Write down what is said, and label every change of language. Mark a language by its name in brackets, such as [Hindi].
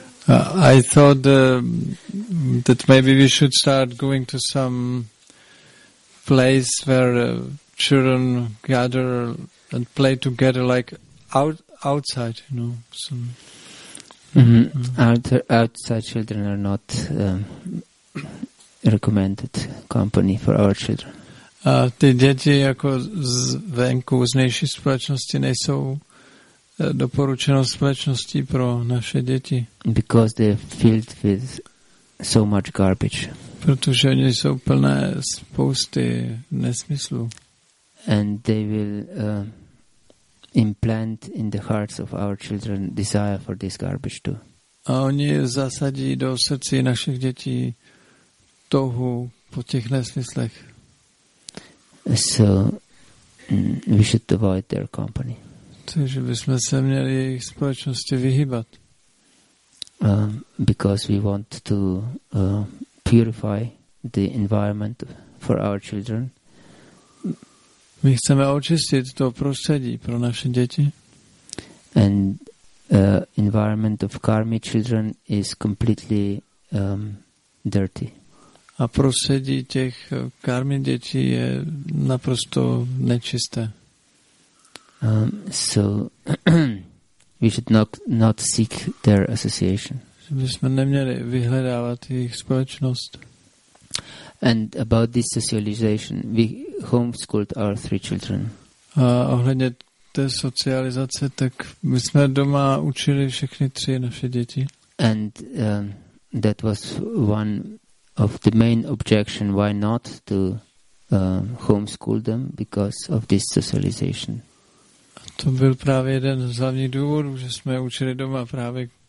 [English] I thought that maybe we should start going to some place where children gather and play together, like outside, you know. Some, Outside children are not recommended company for our children. [Czech] Ty děti jako z venku, z nejší společnosti nejsou doporučeno společnosti pro naše děti. [English] Because they are filled with so much garbage. [Czech] Protože oni jsou plné spousty nesmyslů. [English] And they will implant in the hearts of our children desire for this garbage too. [Czech] A oni zasadí do srdcí našich dětí touhu po těch nesmyslech. [English] So we should avoid their company. [Czech] Takže bychom se měli jejich společnosti vyhýbat. [English] Because we want to purify the environment for our children. [Czech] My chceme očistit to prostředí pro naše děti. [English] And environment of karmi children is completely dirty. [Czech] A prostředí těch karmi dětí je naprosto nečisté. [English] So we should not seek their association. [Czech] Bychom neměli vyhledávat jejich společnost. [English] And about this socialization, we homeschooled our three children. [Czech] A ohledně té socializace, tak my jsme doma učili všechny tři naše děti. [English] And that was one of the main objection why not to homeschool them, because of this socialization. [Czech] To byl právě jeden z hlavních důvodů, že jsme učili doma právě